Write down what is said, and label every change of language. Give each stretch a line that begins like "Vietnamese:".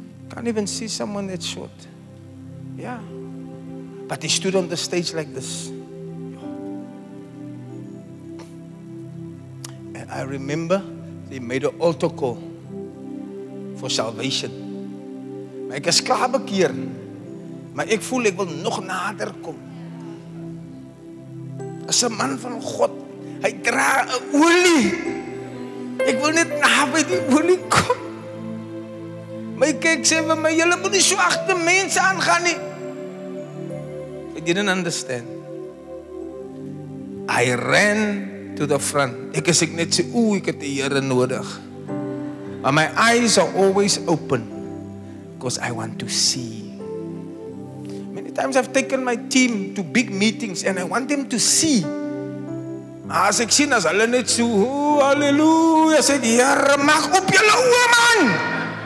English: Can't even see someone that's short. Yeah. But he stood on the stage like this. And I remember they made an altar call for salvation.
Afrikaans: Maar ek is klaar bekeer. Maar ek voel ek wil nog nader kom. As 'n man van God, hy dra 'n olie. Ek wil net naby die olie kom. Maar ek kyk sê vir my, julle moet nie so agter mense aangaan nie.
English: I didn't understand. I ran to the front.
Afrikaans: Ek is net sê, ooh, ek het die Here nodig.
English: And my eyes are always open because I want to see. Many times I've taken my team to big meetings and I want them to see.
Afrikaans: As ek sien as hulle net so, hallelujah, sê die Here, mag op julle oë, man.